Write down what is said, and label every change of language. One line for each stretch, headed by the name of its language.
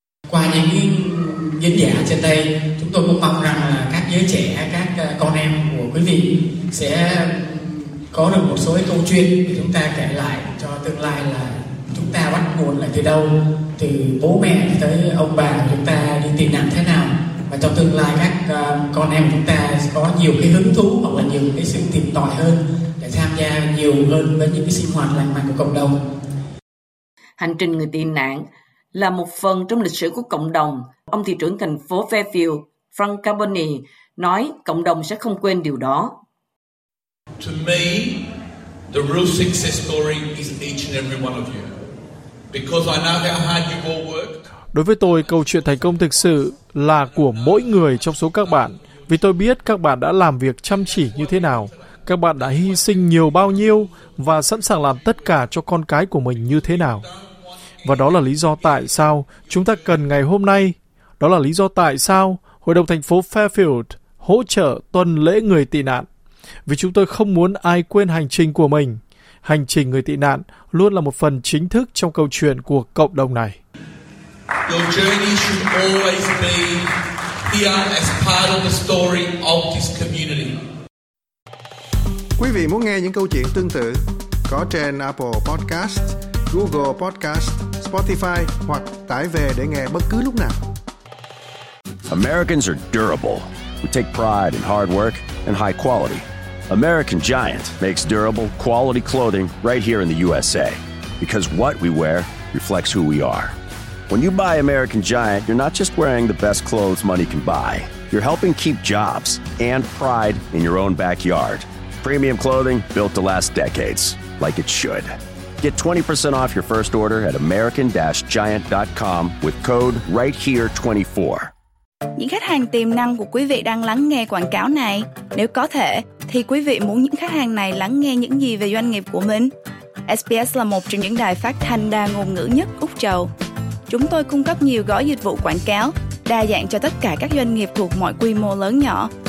Vietnamese: Qua những diễn giả trên đây, chúng tôi mong mong rằng các giới trẻ, các con em của quý vị sẽ có được một số câu chuyện để chúng ta kể lại cho tương lai, là chúng ta bắt nguồn lại từ đâu, từ bố mẹ tới ông bà chúng ta đi tị nạn thế nào, và trong tương lai các con em chúng ta có nhiều cái hứng thú hoặc là nhiều cái sự tìm tòi hơn để tham gia nhiều hơn với những cái sinh hoạt lành mạnh của cộng đồng. Hành trình người tị nạn là một phần trong lịch sử của cộng đồng. Ông thị trưởng thành phố Fairfield, Frank Carboni, nói cộng đồng sẽ không quên điều đó.
English: To me, the real success story is each and every one of you, because I know how hard you've all worked.
Vietnamese: Đối với tôi, câu chuyện thành công thực sự là của mỗi người trong số các bạn, vì tôi biết các bạn đã làm việc chăm chỉ như thế nào, các bạn đã hy sinh nhiều bao nhiêu và sẵn sàng làm tất cả cho con cái của mình như thế nào. Và đó là lý do tại sao chúng ta cần ngày hôm nay. Đó là lý do tại sao Hội đồng thành phố Fairfield hỗ trợ tuần lễ người tị nạn. Vì chúng tôi không muốn ai quên hành trình của mình. Hành trình người tị nạn luôn là một phần chính thức trong câu chuyện của cộng đồng này.
English: Your journey should always be here as part of the story of this community.
Vietnamese: Quý vị muốn nghe những câu chuyện tương tự? Có trên Apple Podcast, Google Podcast, Spotify hoặc tải về để nghe bất cứ lúc nào.
English: Americans are durable. We take pride in hard work and high quality. American Giant makes durable, quality clothing right here in the USA. Because what we wear reflects who we are. When you buy American Giant, you're not just wearing the best clothes money can buy. You're helping keep jobs and pride in your own backyard. Premium clothing built to last decades, like it should. Get 20% off your first order at American-Giant.com with code RIGHTHERE24.
Vietnamese: Những khách hàng tiềm năng của quý vị đang lắng nghe quảng cáo này, nếu có thể, thì quý vị muốn những khách hàng này lắng nghe những gì về doanh nghiệp của mình? SBS là một trong những đài phát thanh đa ngôn ngữ nhất Úc Châu. Chúng tôi cung cấp nhiều gói dịch vụ quảng cáo, đa dạng cho tất cả các doanh nghiệp thuộc mọi quy mô lớn nhỏ.